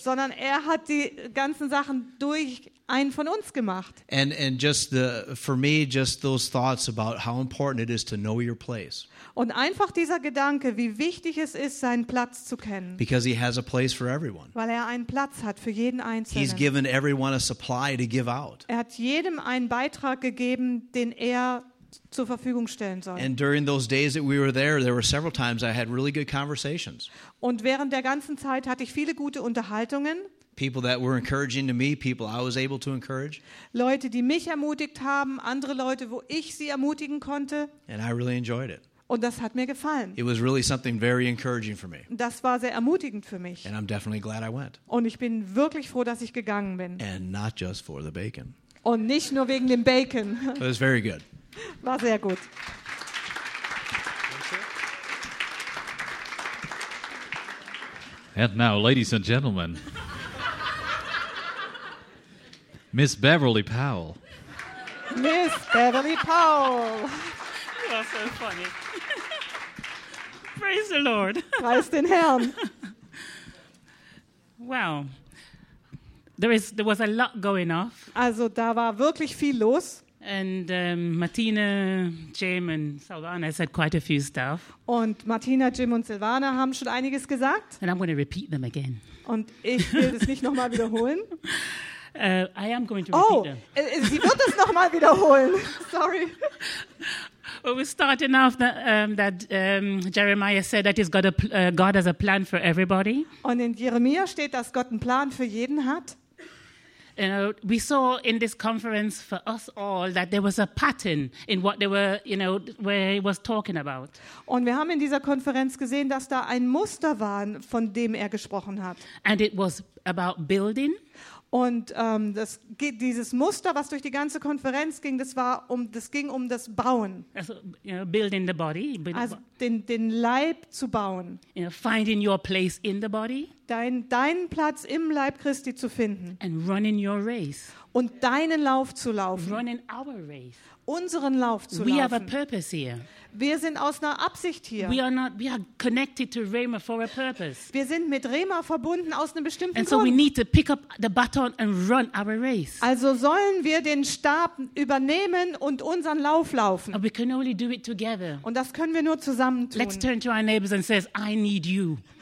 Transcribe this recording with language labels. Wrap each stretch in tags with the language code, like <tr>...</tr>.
<de>Sondern er hat die ganzen Sachen durch einen von uns gemacht.</de> <en>And just for me, just those thoughts about how important it is to know your place.</en> <de>Und einfach dieser Gedanke, wie wichtig es ist, seinen Platz zu kennen.</de> <en>Because he has a place for everyone.</en> <de>Weil er einen Platz hat für jeden Einzelnen.</de> <en>He's given everyone a supply to give out.</en> <de>Er hat jedem einen Beitrag gegeben, den er zur Verfügung stellen soll.</de> <en>And during those days that we were there, there were several times I had really good conversations.</en> <de>Und während der ganzen Zeit hatte ich viele gute Unterhaltungen.</de> <en>People that were encouraging to me, people I was able to encourage.</en> <de>Leute, die mich ermutigt haben, andere Leute, wo ich sie ermutigen konnte.</de> <en>And I really enjoyed it.</en> <de>Und das hat mir gefallen.</de> <en>It was really something very encouraging for me.</en> <de>Das war sehr ermutigend für mich.</de> <en>And I'm definitely glad I went.</en> <de>Und ich bin wirklich froh, dass ich gegangen bin.</de> <en>And not just for the bacon.</en> <de>Und nicht nur wegen dem Bacon.</de> <en>It was very good.</en> <de>War sehr gut.</de> <en>And now, ladies and gentlemen, Miss Beverly Powell. Miss Beverly Powell. You are so funny. Praise the Lord.</en> <de>Preis den Herrn.</de> <en>Wow. There was a lot going off.</en> <de>Also, da war wirklich viel los.</de> <en>And Martina, Jim and Silvana said quite a few stuff.</en> <de>Und Martina, Jim und Silvana haben schon einiges gesagt.</de> <en>And I'm going to repeat them again.</en> <de>Und ich will das nicht nochmal wiederholen.</de> <en>I am going to repeat them.</en> <de>Oh, sie wird das nochmal wiederholen. Sorry.</de> <en>Well, we're starting off that Jeremiah said that he's got God has a plan for everybody.</en> <de>Und in Jeremia steht, dass Gott einen Plan für jeden hat.</de> <en>You know, we saw in this conference for us all that there was a pattern in what they were, you know, where he was talking about.</en> <de>Und wir haben in dieser Konferenz gesehen, dass da ein Muster war, von dem er gesprochen hat.</de> <en>And it was about building.</en> <de>Und dieses Muster, was durch die ganze Konferenz ging, das ging um das Bauen.</de> <en>Also, you know, building the body.</en> <de>Also den Leib zu bauen.</de> <en>You know, finding your place in the body.</en> <de>Deinen Platz im Leib Christi zu finden.</de> <en>And running your race.</en> <de>Und deinen Lauf zu laufen.</de> <en>Running our race.</en> <de>Unseren Lauf zu laufen.</de> <en>We have a purpose here.</en> <de>Wir sind aus einer Absicht hier.</de> <en>We are connected to Rhema for a purpose.</en> <de>Wir sind mit Rhema verbunden aus einem bestimmten Grund.</de> <en>And so we need to pick up the baton and run our race.</en> <de>Also sollen wir den Stab übernehmen und unseren Lauf laufen.</de> <en>And we can only do it together.</en> <de>Und das können wir nur zusammen tun.</de> <en>Let's turn to our neighbors and says, I need you.</en>